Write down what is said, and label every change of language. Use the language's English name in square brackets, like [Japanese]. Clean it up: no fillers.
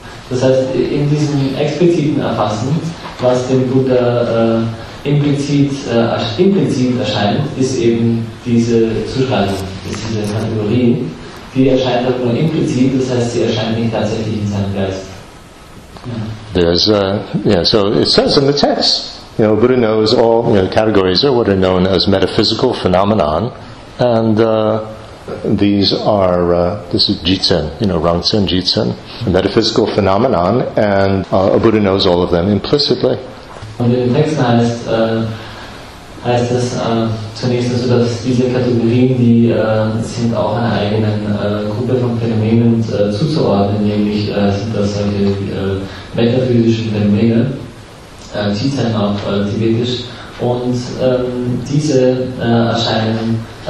[German] Das heißt, in diesem expliziten Erfassen, was dem Buddha implizit erscheint, ist eben diese Zuschreibung, ist diese Kategorie. Die erscheint aber nur implizit, das heißt, sie erscheint nicht tatsächlich in seinem Geist. [English] So it says in the text, you know, Buddha knows all, you know, categories are what are known as metaphysical phenomenon, and these are, this is Jitsen, you know, Rangtsen Jitsen, a metaphysical phenomenon, and a Buddha knows all of them implicitly. [German] Und im Text heißt es zunächst, also, dass diese Kategorien, die sind auch einer eigenen Gruppe von Phänomenen zuzuordnen, nämlich sind das solche metaphysische Phänomene, Jitsen auf Tibetisch, und diese erscheinen.